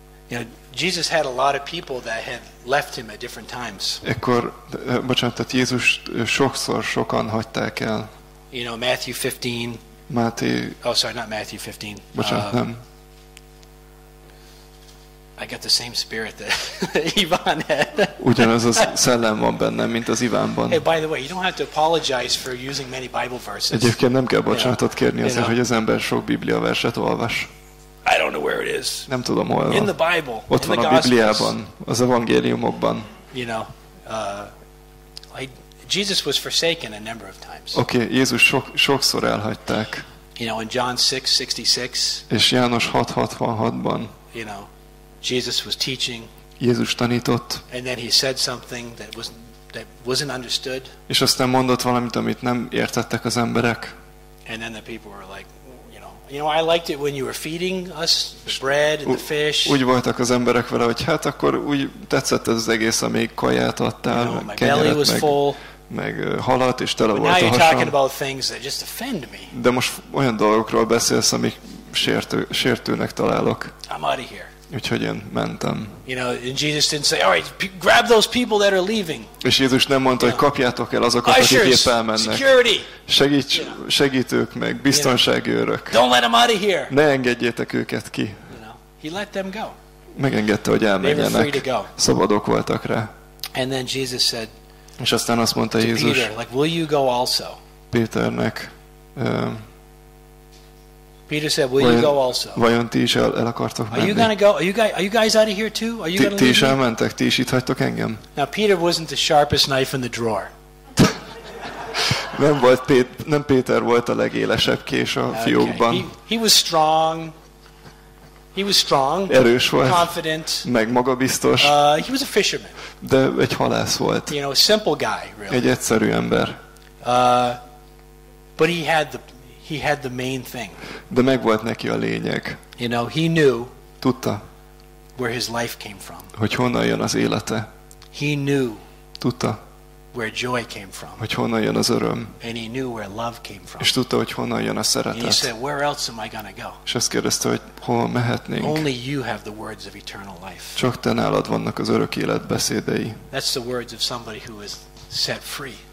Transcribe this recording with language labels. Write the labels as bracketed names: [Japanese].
[English] You know, Jesus had a lot of people that had left him at different times. [Hungarian] Ekkor, bocsánat, tehát Jézus sokszor sokan hagyták el. [English] You know, Matthew 15. [Hungarian] Máté. [English] Oh, sorry, not Matthew 15. [Hungarian] Bocsánat, nem. [English] I got the same spirit that Ivan had. [Hungarian] Ugyanaz a szellem van bennem, mint az Ivánban. [English] Hey, by the way, you don't have to apologize for using many Bible verses. [Hungarian] Egyébként nem kell bocsánatot kérni azért, hogy az ember sok Biblia verset olvas. [English] I don't know where it is. [Hungarian] Nem tudom, hol van. [English] In the Bible. [Hungarian] Ott van a Bibliában, az evangéliumokban. [English] You know, I Jesus was forsaken a number of times. [Hungarian] Okay, Jézus sokszor elhagyták. [English] You know, in John 6:66. [Hungarian] És János 6:66-ban. [English] You know, Jesus was teaching. [Hungarian] Jézus tanított. [English] And then he said something that wasn't understood. [Hungarian] És aztán mondott valamit, amit nem értettek az emberek. [English] And then the people were like, you know, I liked it when you were feeding us the bread and the fish. [Hungarian] Úgy voltak az emberek vele, hogy hát akkor úgy tetszett ez az egész, amíg kaját adtál, [English] you know, [Hungarian] kenyeret, meg halat, és tele volt a hasam. [English] But now you're talking about things that just offend me. [Hungarian] De most olyan dolgokról beszélsz, amik sértőnek találok. [English] I'm out of here. [Hungarian] Úgyhogy én mentem. [English] You know, and Jesus didn't say, all right, grab those people that are leaving. [Hungarian] És Jézus nem mondta, hogy kapjátok el azokat, akik épp elmennek. [English] Security. [Hungarian] Segítők meg, biztonsági őrök. [English] Don't let them out of here. [Hungarian] Ne engedjétek őket ki. [English] You know, he let them go. [Hungarian] Megengedte, hogy elmenjenek. [English] They were free to go. [Hungarian] Szabadok voltak rá. [English] And then Jesus said, [Hungarian] és aztán azt mondta Jézus, [English] Peter, like, will you go also? [Hungarian] Péternek, [English] Peter said, "Will you go also?" [Hungarian] Vajon ti is el akartok menni? [English] Are you gonna go? Are you guys out of here too? Are you gonna leave? [Hungarian] Ti is elmentek, ti is itt hagytok engem. [English] Now Peter wasn't the sharpest knife in the drawer. [Hungarian] Nem Péter volt a legélesebb kés a fiókban. [English] Okay. He was strong. He was strong. [Hungarian] Erős volt. [English] Confident. [Hungarian] Meg magabiztos. [English] He was a fisherman. [Hungarian] De egy halász volt. [English] You know, a simple guy, really. [Hungarian] Egy egyszerű ember. [English] But he had the main thing. [Hungarian] De megvolt neki a lényeg. [English] You know, he knew. [Hungarian] Tudta. [English] Where his life came from. [Hungarian] Hogy honnan jön az élete. [English] He knew. [Hungarian] Tudta. [English] Where joy came from. [Hungarian] Hogy honnan jön az öröm. [English] And he knew where love came from. [Hungarian] És tudta, hogy honnan jön a szeretet. [English] And he said, where else am I gonna go? [Hungarian] És azt kérdezte, hogy hova mehetnénk. [English] Only you have the words of eternal life. [Hungarian] Csak te nálad vannak az örök élet beszédei. [English] That's the words of somebody who is set free.